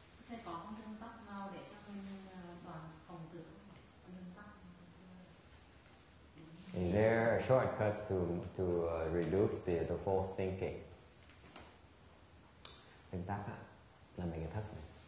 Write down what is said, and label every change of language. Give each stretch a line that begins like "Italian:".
Vietnamese: Sẽ có một nguyên tắc nào để cho mình đoạn vọng tưởng, nguyên tắc?
English: Is there a shortcut to reduce the false thinking?
Vietnamese: Nguyên tắc á, là mình cái thức này.